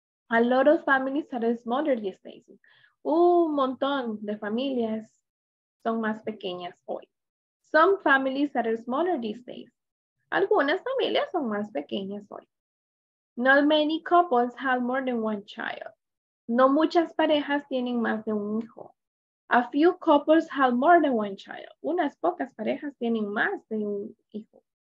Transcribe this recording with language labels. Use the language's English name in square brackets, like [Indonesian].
[English] A lot of families are smaller these days. [Spanish] Un montón de familias son más pequeñas hoy. [English] Some families are smaller these days. [Spanish] Algunas familias son más pequeñas hoy. [English] Not many couples have more than one child. [Spanish] No muchas parejas tienen más de un hijo. [English] A few couples have more than one child. [Spanish] Unas pocas parejas tienen más de un hijo.